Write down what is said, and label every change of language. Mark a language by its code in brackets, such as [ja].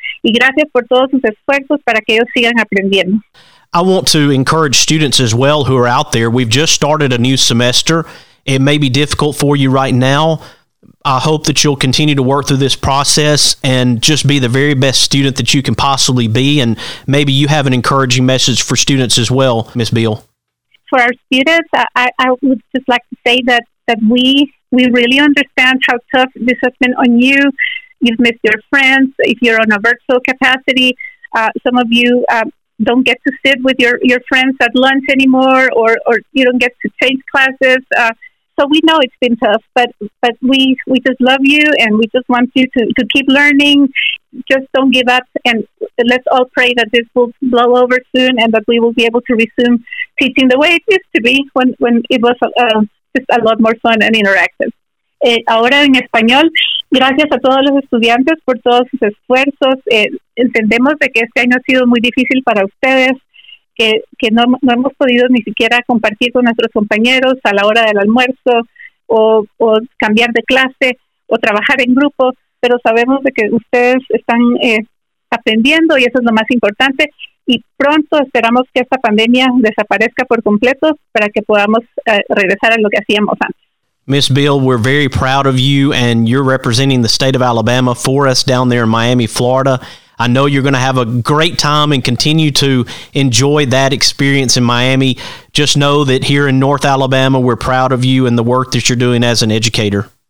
[es] Y gracias por todos sus esfuerzos para que ellos sigan aprendiendo. [en] I want to encourage students as well who are out there. We've just started a new semester. It may be difficult for you right now. I hope that you'll continue to work through this process and just be the very best student that you can possibly be. And maybe you have an encouraging message for students as well, Ms. Beal. For our students, I would just like to say that we really understand how tough this has been on you. You've missed your friends. If you're on a virtual capacity, some of you don't get to sit with your friends at lunch anymore, or you don't get to change classes. So we know it's been tough, but we just love you, and we just want you to keep learning. Just don't give up, and let's all pray that this will blow over soon and that we will be able to resume teaching the way it used to be when it was just a lot more fun and interactive. [es] Ahora en español, gracias a todos los estudiantes por todos sus esfuerzos. Entendemos de que este año ha sido muy difícil para ustedes, que no hemos podido ni siquiera compartir con nuestros compañeros a la hora del almuerzo o cambiar de clase o trabajar en grupo, pero sabemos de que ustedes están aprendiendo y eso es lo más importante. Y pronto esperamos que esta pandemia desaparezca por completo para que podamos regresar a lo que hacíamos antes. [en] Ms. Beal, we're very proud of you, and you're representing the state of Alabama for us down there in Miami, Florida. I know you're going to have a great time and continue to enjoy that experience in Miami. Just know that here in North Alabama, we're proud of you and the work that you're doing as an educator.